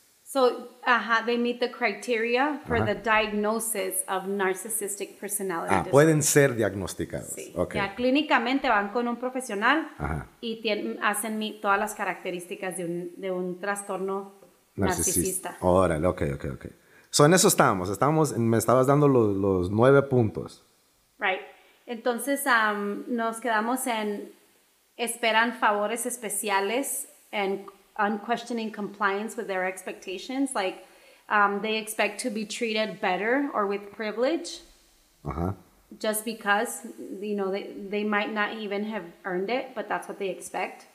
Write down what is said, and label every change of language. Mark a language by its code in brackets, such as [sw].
[en] So, they meet the criteria for the diagnosis of narcissistic personality disorder. [es] Pueden ser diagnosticados. Sí. Okay. Ya clínicamente van con un profesional y hacen meet todas las características de un trastorno narcisista. Órale, ok. So, en eso estábamos, me estabas dando los 9 puntos. [en] Right. [es] Entonces, nos quedamos en, esperan favores especiales en [en] unquestioning compliance with their expectations, like they expect to be treated better or with privilege, just because, you know, they might not even have earned it, but that's what they expect.